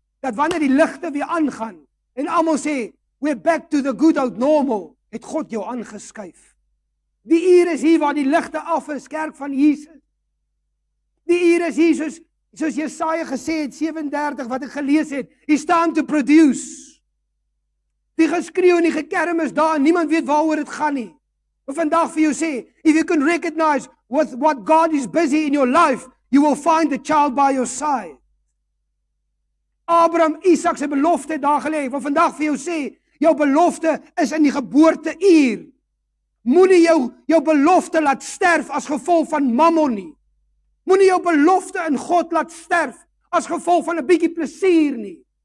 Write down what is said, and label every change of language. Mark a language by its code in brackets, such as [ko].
[af] Dat wanneer die ligte weer aangaan, en almal sê, [en] we're back to the good old normal, [af] het God jou aangeskuif. Die uur is hier waar die ligte af is, kerk van Jesus. Die uur is hier soos Jesaja gesê het, 37, wat ek gelees het, [en] it's time to produce. [af] Die geskreeu en die gekerm is daar, niemand weet waaroor dit gaan nie. Maar vandag vir jou sê, [en] if you can recognize with what God is busy in your life, you will find the child by your side. [af] Abraham, Isaac se belofte daar gelê. Ek wil vandag vir jou sê, jou belofte is in die geboorteuur. Moenie jou belofte laat sterf as gevolg van mammon nie. Moenie jou belofte in God laat sterf as gevolg van 'n bietjie plesier nie.